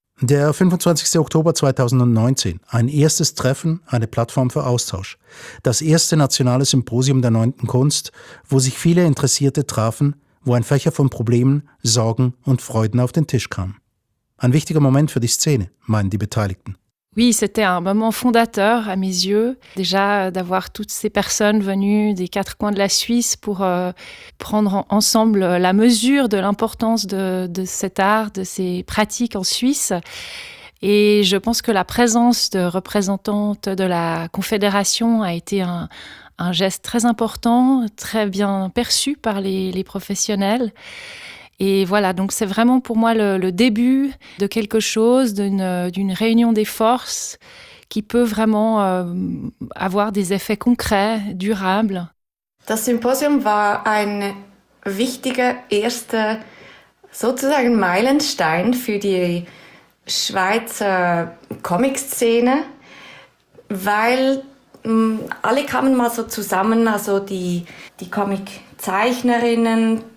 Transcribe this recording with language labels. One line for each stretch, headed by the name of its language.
German: Der 25. Oktober 2019. Ein erstes Treffen, eine Plattform für Austausch. Das erste nationale Symposium der 9. Kunst, wo sich viele Interessierte trafen, wo ein Fächer von Problemen, Sorgen und Freuden auf den Tisch kam. Ein wichtiger Moment für die Szene, meinen die Beteiligten.
French: Oui, c'était un moment fondateur à mes yeux, déjà d'avoir toutes ces personnes venues des quatre coins de la Suisse pour prendre ensemble la mesure de l'importance de cet art, de ces pratiques en Suisse. Et je pense que la présence de représentantes de la Confédération a été un geste très important, très bien perçu par les professionnels. Et voilà, donc c'est vraiment pour moi le début de quelque chose, d'une réunion des forces qui peut vraiment avoir des effets concrets, durables.
German: Das Symposium war ein wichtiger erster sozusagen Meilenstein für die Schweizer Comic-Szene, weil alle kamen mal so zusammen, also die Comic-Zeichnerinnen,